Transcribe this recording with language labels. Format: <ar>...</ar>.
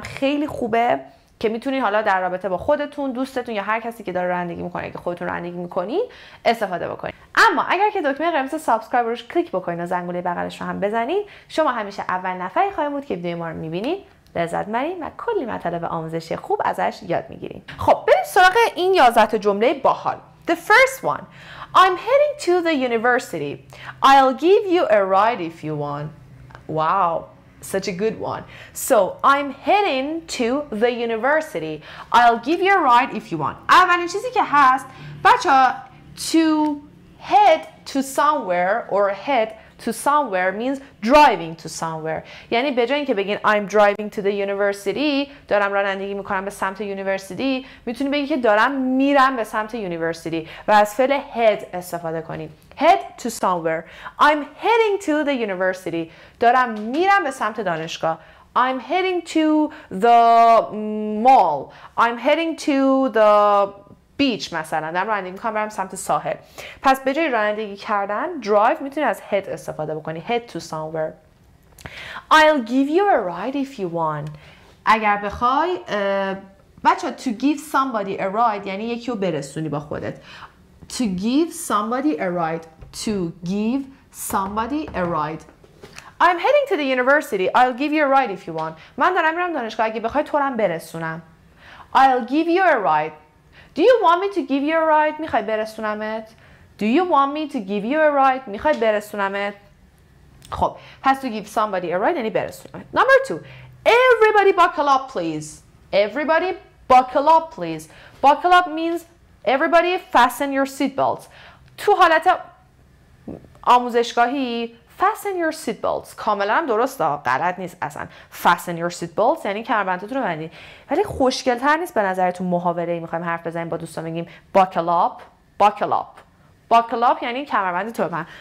<fa>خیلی خوبه که میتونین حالا در رابطه با خودتون، دوستتون یا هر کسی که داره رانندگی میکنه، که خودتون رانندگی میکنی استفاده بکنین. اما اگر که دکمه قرمز سابسکرایب روش کلیک بکنین و زنگوله بغلش رو هم بزنین، شما همیشه اول نفری خواهید بود که ویدیو ما رو میبینین، لذت می‌برین و کلی مطالب آموزشی خوب ازش یاد میگیرین. خب بریم سراغ این 11 تا جمله باحال.</fa> <en>The first one. I'm heading to the university. I'll give you a ride if you want. Wow, such a good one. So, I'm heading to the university. I'll give you a ride if you want.</en> <fa>اولین چیزی که هست، بچه</fa> <en>to head to somewhere or head to somewhere means driving to somewhere.</en> <fa>یعنی به جای اینکه بگین</fa> <en>I'm driving to the university،</en> <fa>دارم رانندگی میکنم به سمت یونیورسیتی، میتونی بگی که دارم میرم به سمت یونیورسیتی و از فعل head استفاده کنیم.</fa> <en>Head to somewhere. I'm heading to the university.</en> <fa>دارم میرم به سمت دانشگاه.</fa> <en>I'm heading to the mall. I'm heading to the beach</en> <fa>مثلا. دارم رانندگی میکنم برم سمت ساحل. پس به جای رانندگی کردن، drive میتونی از head استفاده بکنی.</fa> <en>Head to somewhere. I'll give you a ride if you want.</en> <fa>اگر بخوای، بچه</fa> <en>to give somebody a ride</en> <fa>یعنی یکی رو برسونی با خودت.</fa> <en>To give somebody a ride. To give somebody a ride. I'm heading to the university. I'll give you a ride if you want.</en> <fa>من دارم میرم دانشگاه، اگه بخوای تو رو برسونم.</fa> <en>I'll give you a ride. Do you want me to give you a ride?</en> <fa>میخوای برسونمت.</fa> <en>Do you want me to give you a ride?</en> <fa>میخوای برسونمت. خب پس</fa> <en>to give somebody a ride</en> <fa>یعنی برسونمت.</fa> <en>Number two. Everybody buckle up please. Everybody buckle up please. Buckle up means everybody fasten your seat belts.</en> <fa>تو حالت آموزشگاهی</fa> <en>fasten your seat belts</en> <fa>کاملا هم درسته، غلط نیست اصلا.</fa> <en>Fasten your seat belts</en> <fa>یعنی کمربندتون رو بندید. ولی خوشگل‌تر نیست به نظرتون محاوره‌ای می‌خوایم حرف بزنیم با دوستان بگیم</fa> <en>buckle up. Buckle up. Buckle up</en> <fa>یعنی کمربندتون رو بند.</fa>